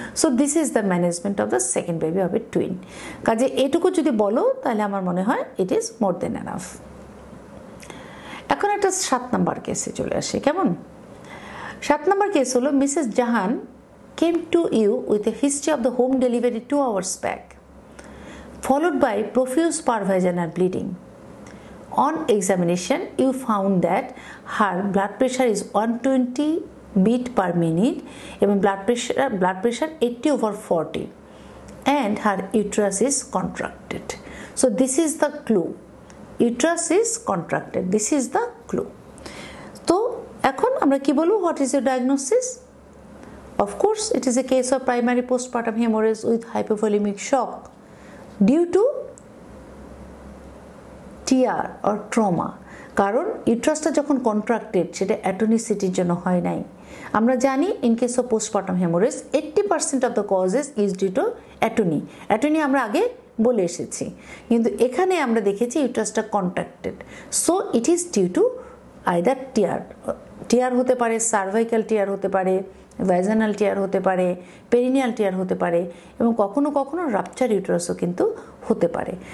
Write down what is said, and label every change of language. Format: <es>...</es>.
<en>So this is the management of the second baby of a twin.</en> <bn>কাজে এটুকু যদি বলো তাহলে আমার মনে হয়</bn> <en>It is more than enough.</en> <bn>এখন একটা সাত নম্বর কেসে চলে আসে, কেমন? সাত নম্বর কেস হলো</bn> <en>Mrs Jahan came to you with a history of the home delivery two hours back, followed by profuse parvaginal bleeding. On examination, you found that her blood pressure is 120 beat per minute, even blood pressure 80 over 40, and her uterus is contracted. So this is the clue. Uterus is contracted. This is the clue. So,</en> <bn>ekhon amra ki bolu,</bn> <en>what is your diagnosis? Of course, it is a case of primary postpartum hemorrhage with hypovolemic shock due to TR or trauma,</en> <bn>কারণ ইউট্রাসটা যখন contracted সেটা অ্যাটোনিসিটির জন্য হয় নাই, আমরা জানি</bn> <en>In case of postpartum haemorrhage 80% of the causes is due to atony.</en> <bn>অ্যাটনি আমরা আগে বলে এসেছি, কিন্তু এখানে আমরা দেখেছি ইউটারাসটা contracted,</bn> <en>So it is due to either tear.</en> <bn>টিয়ার হতে পারে সার্ভাইকাল টিয়ার হতে পারে, ভ্যাজিনাল টিয়ার হতে পারে, পেরিনিয়াল টিয়ার হতে পারে, এবং কখনও কখনও রাপচার ইউটারাসও কিন্তু হতে পারে।</bn>